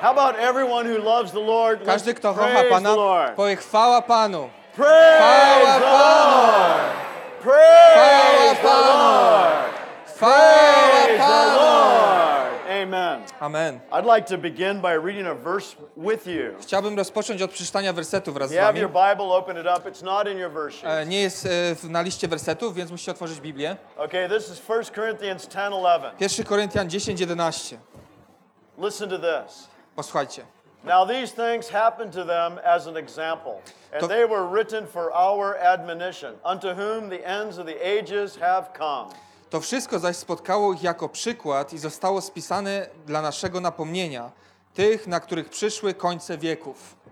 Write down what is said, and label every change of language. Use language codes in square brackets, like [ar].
[en] How about everyone who loves the Lord? [sk] Každý, kto hocha Pana, povie chvála Pánu. [en] Praise the Lord! Praise the Lord! Praise the Lord! Amen. Amen. I'd like to begin by reading a verse with you. [pl] Chciałbym rozpocząć od przeczytania wersetu wraz z wami. [en] You have your Bible, open it up. It's not in your verse. [pl] Nie jest na liście wersetów, więc musicie otworzyć Biblię. [en] Okay, this is 1 Corinthians 10:11. [pl] 1 Koryntian 10:11. [en] Listen to this. [pl] Posłuchajcie. [en] Now these things happened to them as an example, and they were written for our admonition, unto whom the ends of the ages have come. [pl] To wszystko zaś spotkało ich jako przykład i zostało spisane dla naszego napomnienia, tych, na których przyszły końce wieków.